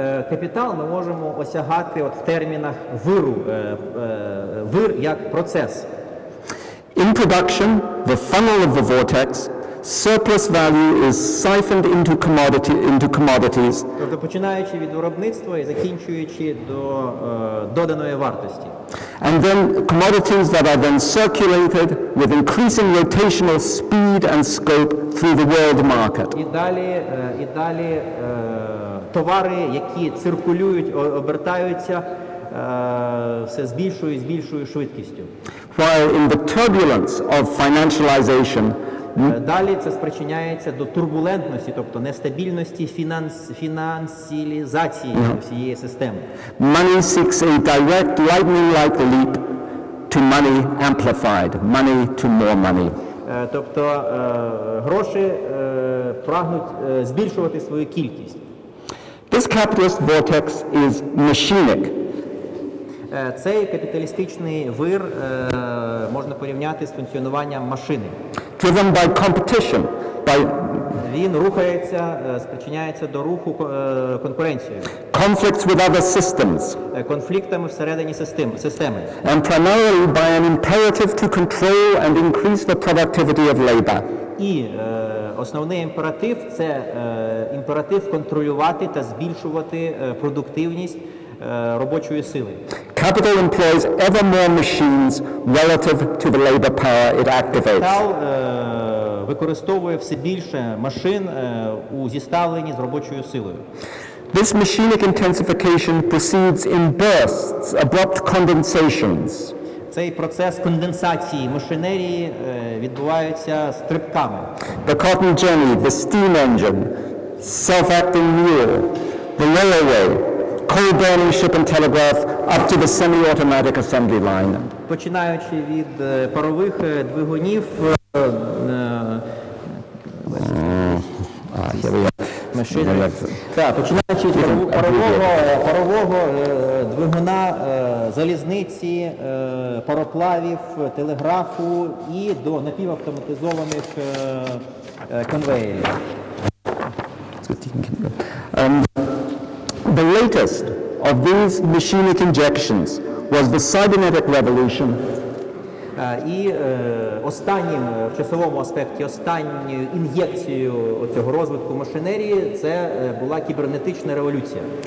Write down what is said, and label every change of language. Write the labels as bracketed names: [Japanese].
[Ukrainian] Капітал ми можемо осягати в термінах виру, вир як процес. [English] In production, the funnel of the vortex, surplus value is siphoned into commodities. [Ukrainian] Тобто починаючи від виробництва і закінчуючи до доданої вартості. [English] And then commodities that are then circulated with increasing rotational speed and scope through the world market. [Ukrainian] І далі товари, які циркулюють, обертаються все з більшою швидкістю. [English] While in the turbulence of financialization, [Ukrainian] далі це спричиняється до турбулентності, тобто нестабільності фіналізації всієї системи. [English] Money seeks a direct lightning-like leap to money amplified, money to more money. [Ukrainian] Тобто гроші прагнуть збільшувати свою кількість. [English] This capitalist vortex is machinic. [Ukrainian] Цей капіталістичний вир можна порівняти з функціонуванням машини. [English] Driven by competition, [Ukrainian] він рухається, спричиняється до руху конкуренцією. [English] Conflicts with other systems, [Ukrainian] конфліктами всередині системи. [English] And primarily by an imperative to control and increase the productivity of labor. [Ukrainian] І основний імператив – це імператив контролювати та збільшувати продуктивність робочої сили. [English] Capital employs ever more machines relative to the labor power it activates. [Ukrainian] Капітал використовує все більше машин у зіставленні з робочою силою. [English] This machinic intensification proceeds in bursts, abrupt condensations. [Ukrainian] Цей процес конденсації машинерії відбувається стрибками. [English] The cotton journey, the steam engine, self-acting mule, the railway, coal-burning ship and telegraph, up to the semi-automatic assembly line. [Ukrainian] Починаючи від парових двигунів, починаючи від парового двигуна, залізниці, пароплавів, телеграфу і до напівавтоматизованих конвейерів. [English] The latest of these machinic injections was the cybernetic revolution. [Ukrainian] І останнім, в часовому аспекті, останньою ін'єкцією цього розвитку машинерії це була кібернетична революція.